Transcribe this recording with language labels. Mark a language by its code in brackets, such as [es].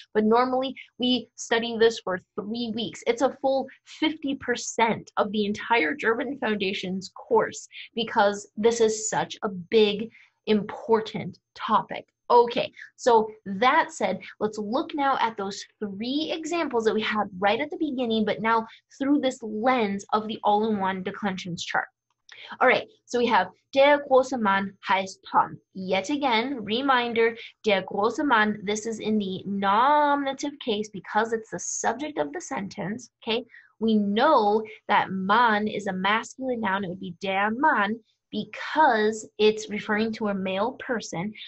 [en] But normally we study this for 3 weeks. It's a full 50% of the entire German Foundations course because this is such a big, important topic. Okay, so that said, let's look now at those three examples that we had right at the beginning, but now through this lens of the all-in-one declensions chart. All right, so we have [de] der große Mann heißt Tom. [en] Yet again, reminder, [de] der große Mann, [en] this is in the nominative case because it's the subject of the sentence, okay? We know that Mann is a masculine noun. It would be [de] der Mann, [en] because it's referring to a male person.